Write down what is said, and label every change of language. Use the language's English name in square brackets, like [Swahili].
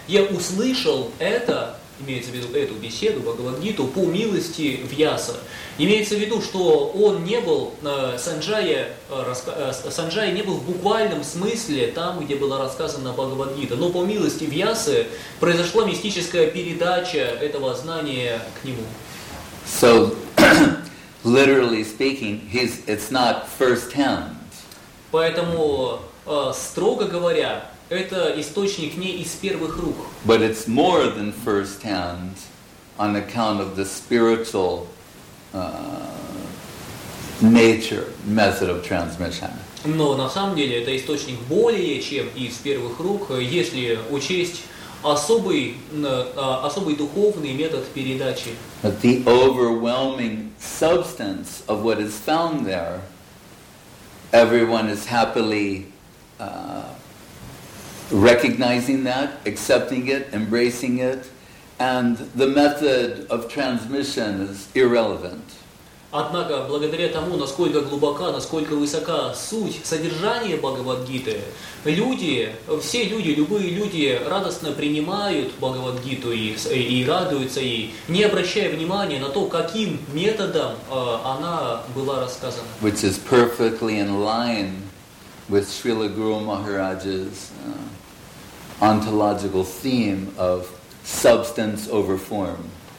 [Russian] Я услышал это, имеется в виду эту беседу, Бхагавад-гиту, по милости Вьяса. Имеется в виду, что он не был, Санджая не был в буквальном смысле там, где была рассказана Бхагавад-гита. Но по милости Вьясы произошла мистическая передача этого знания к нему. [English] So, literally speaking, it's not first hand. [Russian] Поэтому, строго говоря, это источник не из первых рук. [English] But it's more than first hand on account of the spiritual nature method of transmission. [Russian] Но на самом деле это источник более чем из первых рук, если учесть особый духовный метод передачи. [English] But the overwhelming substance of what is found there, everyone is happily recognizing that, accepting it, embracing it, and the method of transmission is irrelevant. [Russian] Однако, благодаря тому, насколько глубока, насколько высока суть содержания Бхагавад-гиты, любые люди радостно принимают Бхагавад-гиту и радуются ей, не обращая внимания на то, каким методом она была рассказана. [English] Which is perfectly in line with Srila Guru Maharaj's ontological theme of substance over form.